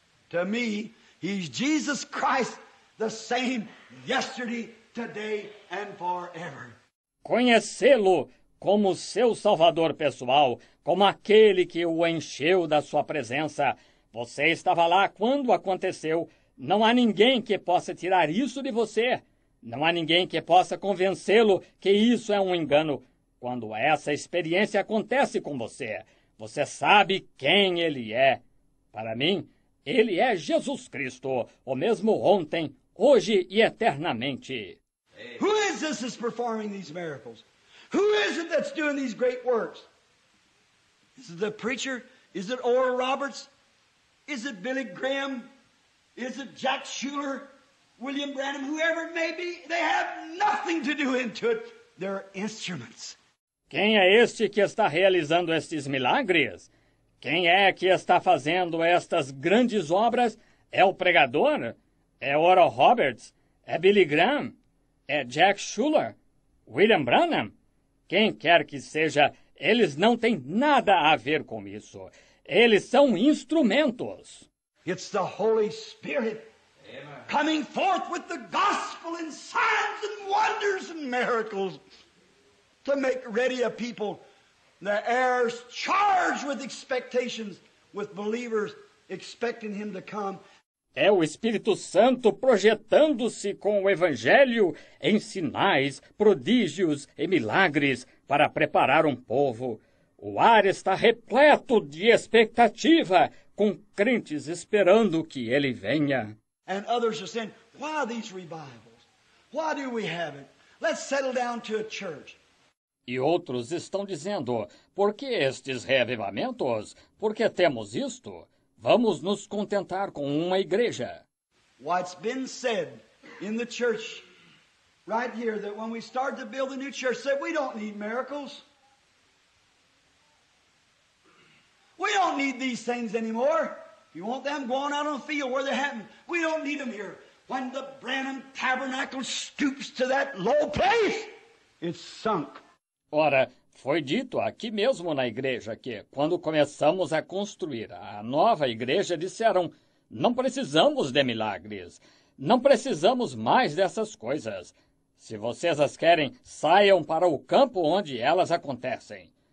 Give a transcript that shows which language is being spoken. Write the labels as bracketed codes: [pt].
[en] To me, he's Jesus Christ, the same yesterday, today and forever. [pt] Conhecê-lo como seu salvador pessoal, como aquele que o encheu da sua presença. Você estava lá quando aconteceu. Não há ninguém que possa tirar isso de você. Não há ninguém que possa convencê-lo que isso é um engano. Quando essa experiência acontece com você, você sabe quem ele é. Para mim, ele é Jesus Cristo, o mesmo ontem, hoje e eternamente. [en] Who is this that's performing these miracles? Who is it that's doing these great works? Is it the preacher? Is it Oral Roberts? Is it Billy Graham? Is it Jack Schuller? William Branham? Whoever it may be, they have nothing to do into it. They're instruments. [pt] Quem é este que está realizando estes milagres? Quem é que está fazendo estas grandes obras? É o pregador? É Oral Roberts? É Billy Graham? É Jack Schuller, William Branham, quem quer que seja, eles não têm nada a ver com isso. Eles são instrumentos. [en] It's the Holy Spirit coming forth with the gospel in signs and wonders and miracles. to make ready a people, the heirs charged with expectations, with believers expecting him to come. [pt] É o Espírito Santo projetando-se com o Evangelho em sinais, prodígios e milagres para preparar um povo. O ar está repleto de expectativa, com crentes esperando que ele venha. [en] And others are saying, why these revivals? Why do we have it? Let's settle down to a church. [pt] E outros estão dizendo, por que estes reavivamentos? Por que temos isto? Vamos nos contentar com uma igreja. [en] What's been said in the church right here that when we start to build a new church said we don't need miracles. We don't need these things anymore. You want them going out on the field where they're happening. We don't need them here. When the Branham Tabernacle stoops to that low place, it's sunk. [pt] Ora, foi dito aqui mesmo na igreja que, quando começamos a construir a nova igreja, disseram, não precisamos de milagres, não precisamos mais dessas coisas. Se vocês as querem, saiam para o campo onde elas acontecem.